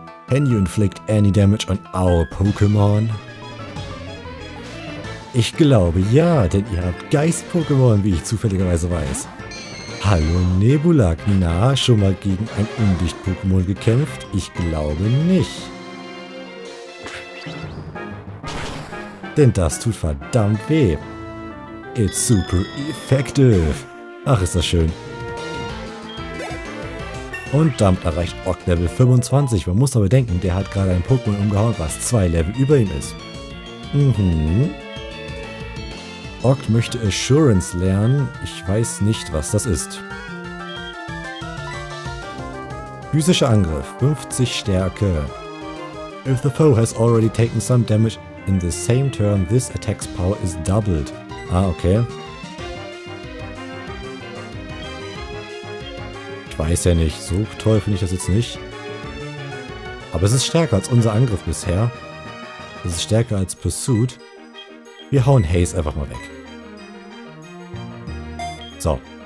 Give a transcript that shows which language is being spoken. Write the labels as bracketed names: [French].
[English] Can you inflict any damage on our Pokémon? [German] Ich glaube ja, denn ihr habt Geist-Pokémon, wie ich zufälligerweise weiß. Hallo Nebulak, na, schon mal gegen ein Undicht-Pokémon gekämpft? Ich glaube nicht. Denn das tut verdammt weh. [English] It's super effective. [German] Ach, ist das schön. Und damit erreicht Ock Level 25. Man muss aber denken, der hat gerade ein Pokémon umgehauen, was 2 Level über ihm ist. Mhm. Ock möchte Assurance lernen. Ich weiß nicht, was das ist. Physischer Angriff. 50 Stärke. [English] If the foe has already taken some damage in the same turn, this attack's power is doubled. Ah, okay. [German] Ich weiß ja nicht, so toll finde ich das jetzt nicht. Aber es ist stärker als unser Angriff bisher. Es ist stärker als Pursuit. Wir hauen Haze einfach mal weg. So.